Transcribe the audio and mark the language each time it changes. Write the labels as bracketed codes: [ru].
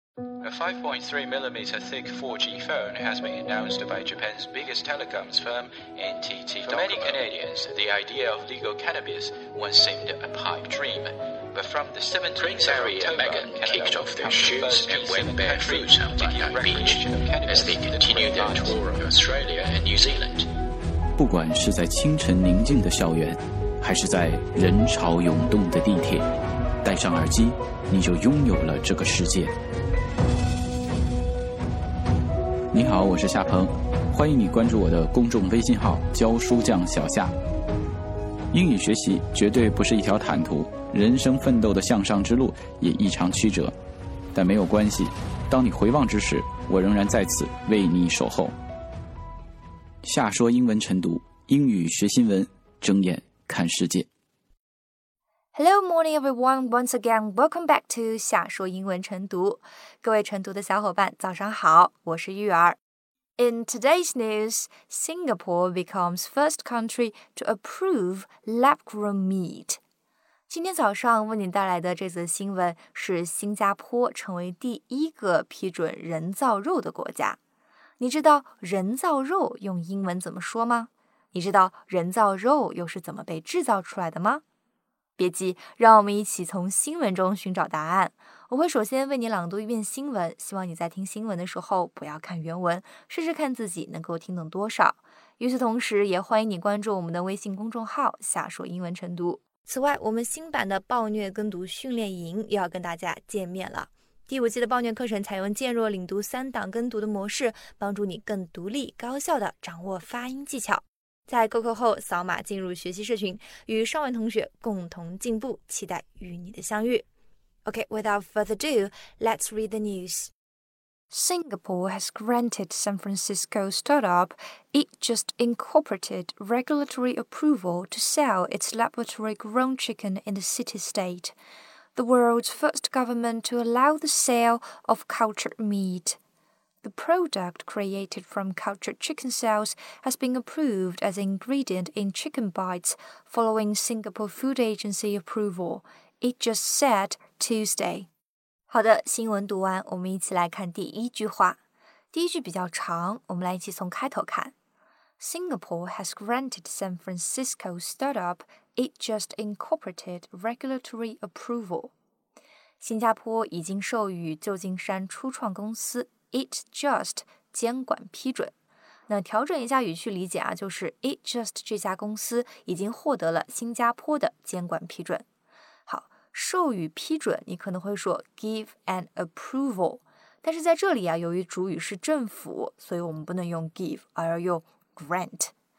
[en] A 5.3mm thick 4G phone has been announced by Japan's biggest telecoms firm, NTT Docomo. For many Canadians, the idea of legal cannabis once seemed a pipe dream. But from the 17th of October, Canada kicked off their shoes and went barefoot on Bondi Beach as they continued their tour of Australia and New Zealand. [zh] 不管是在清晨宁静的校园，还是在人潮涌动的地铁，戴上耳机，你就拥有了这个世界。你好，我是夏鹏，欢迎你关注我的公众微信号“教书匠小夏”。英语学习绝对不是一条坦途，人生奋斗的向上之路也异常曲折，但没有关系，当你回望之时，我仍然在此为你守候。夏说英文晨读，英语学新闻，睁眼看世界。 [en] Hello, morning, everyone. Once again, welcome back to 夏说英文晨读。 [zh] 各位晨读的小伙伴，早上好，我是玉儿。 [en] In today's news, Singapore becomes first country to approve lab-grown meat. [zh] 今天早上为您带来的这则新闻是新加坡成为第一个批准人造肉的国家。你知道人造肉用英文怎么说吗？你知道人造肉又是怎么被制造出来的吗？别急，让我们一起从新闻中寻找答案。我会首先为你朗读一遍新闻，希望你在听新闻的时候不要看原文，试试看自己能够听懂多少。与此同时，也欢迎你关注我们的微信公众号“夏说英文晨读”。此外，我们新版的暴虐跟读训练营又要跟大家见面了。第五季的暴虐课程采用渐弱领读三档跟读的模式，帮助你更独立高效地掌握发音技巧。在购课后扫码进入学习社群，与上万同学共同进步，期待与你的相遇。 [en] OK, without further ado, let's read the news. Singapore has granted San Francisco startup It Just Incorporated regulatory approval to sell its laboratory-grown chicken in the city-state, the world's first government to allow the sale of cultured meat. The product created from cultured chicken cells has been approved as an ingredient in chicken bites following Singapore Food Agency approval. It just said Tuesday. [zh] 好的，新闻读完，我们一起来看第一句话。第一句比较长，我们来一起从开头看。 [en] Singapore has granted San Francisco startup It Just Incorporated regulatory approval. [zh] 新加坡已经授予旧金山初创公司It just 监管批准，那调整一下语序理解啊，就是 It just 这家公司已经获得了新加坡的监管批准。好，授予批准，你可能会说 [en] give an approval， [zh] 但是在这里啊，由于主语是政府，所以我们不能用 give， 而要用 grant。